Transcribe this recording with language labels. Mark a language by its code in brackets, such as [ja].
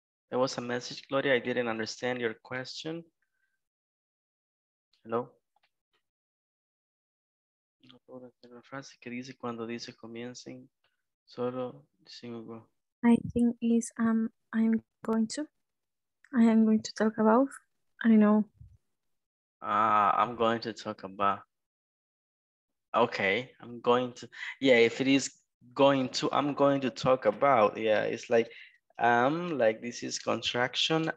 [en] There was a message, Gloria, I didn't understand your question. Hello? [es] No puedo entender la frase que dice cuando dice comiencing solo sin Google. [en] I think is I am going to talk about. I know. I'm going to talk about. Okay, I'm going to. Yeah, if it is going to, I'm going to talk about. Yeah, it's like like this is contraction.